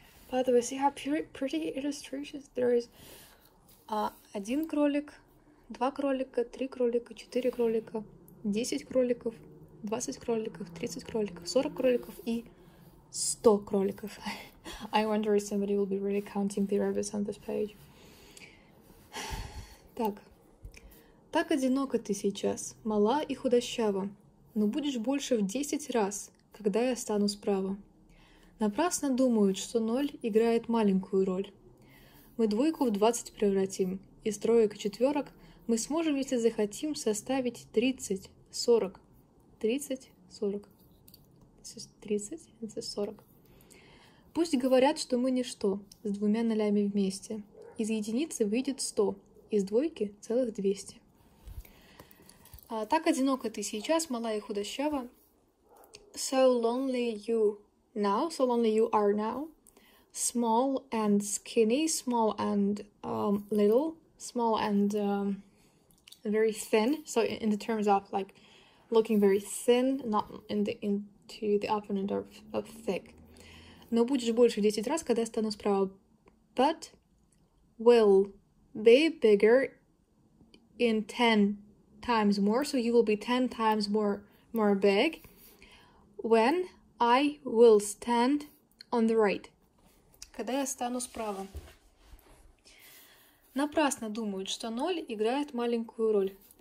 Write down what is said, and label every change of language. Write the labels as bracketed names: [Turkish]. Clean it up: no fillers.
[English] By the way, see how pretty illustrations there is. [Russian] Один кролик, два кролика, три кролика, четыре кролика, 10 кроликов, 20 кроликов, 30 кроликов, 40 кроликов и 100 кроликов. [English] I wonder if somebody will be really counting the rabbits on this page. [Russian] Так одинока ты сейчас, мала и худощава, но будешь больше в 10 раз, когда я стану справа. Напрасно думают, что ноль играет маленькую роль. Мы двойку в 20 превратим, из троек и четверок мы сможем, если захотим, составить 30-40. [English] 30-40. This is 30, and this is 40. [Russian] Пусть говорят, что мы ничто, с двумя нулями вместе. Из единицы выйдет 100, из двойки целых 200. Так одинока ты сейчас, мала и худощава. [English] So lonely you now, so lonely you are now. Small and skinny, small and little, small and very thin. So in the terms of like looking very thin, not in the into the opponent of thick. [Russian] Но будешь больше 10 раз, когда стану справа. [English] But will be bigger in 10 times more. So you will be 10 times more big when I will stand on the right. [Russian] Когда я стану справа. Напрасно думают, что ноль играет маленькую роль.